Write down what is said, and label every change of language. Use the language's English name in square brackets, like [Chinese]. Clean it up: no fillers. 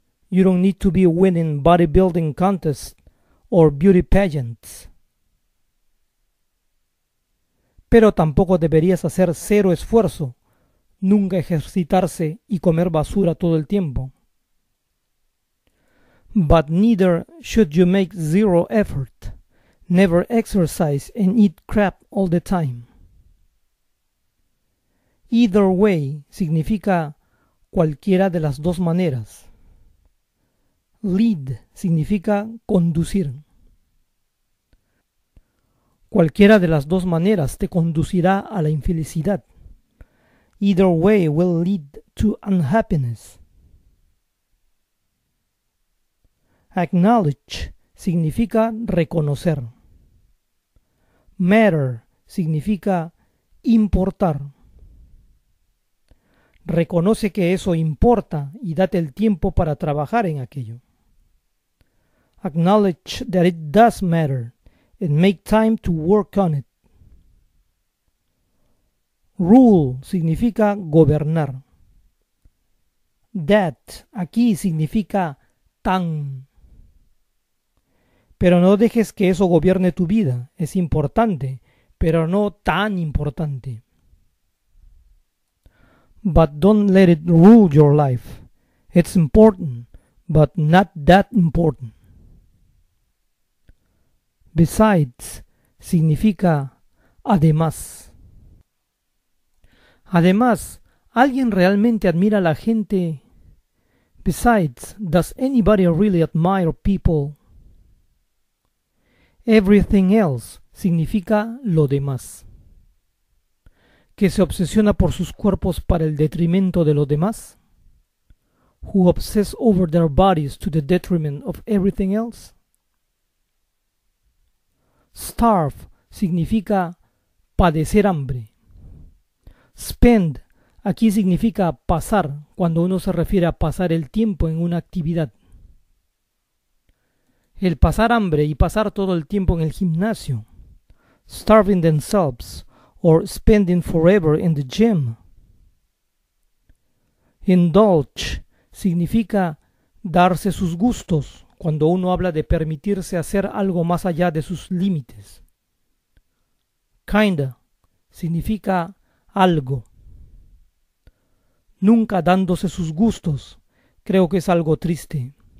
[English] You don't need to be winning bodybuilding contests or beauty pageants. [Spanish] Pero tampoco deberías hacer cero esfuerzo, nunca ejercitarse y comer basura todo el tiempo. [English] But neither should you make zero effort, never exercise and eat crap all the time. [Spanish] Either way significa cualquiera de las dos maneras. Lead significa conducir. Cualquiera de las dos maneras te conducirá a la infelicidad. [English] Either way will lead to unhappiness. [Spanish] Acknowledge significa reconocer. Matter significa importar. Reconoce que eso importa y date el tiempo para trabajar en aquello. [English] Acknowledge that it does matter and make time to work on it. [Spanish] Rule significa gobernar. That aquí significa tan. Pero no dejes que eso gobierne tu vida. Es importante, pero no tan importante. [English] But don't let it rule your life. It's important, but not that important. [Spanish] Besides significa además. Además, ¿alguien realmente admira a la gente [English] Besides, does anybody really admire people? [Spanish] Everything else significa lo demás. Que se obsesiona por sus cuerpos para el detrimento de los demás. [English] Who obsess over their bodies to the detriment of everything else. [Spanish] Starve significa padecer hambre. Spend aquí significa pasar cuando uno se refiere a pasar el tiempo en una actividad. El pasar hambre y pasar todo el tiempo en el gimnasio. [English] Starving themselves or spending forever in the gym. [Spanish] Indulge significa darse sus gustos cuando uno habla de permitirse hacer algo más allá de sus límites. Kinda significa algo. Nunca dándose sus gustos, creo que es algo triste.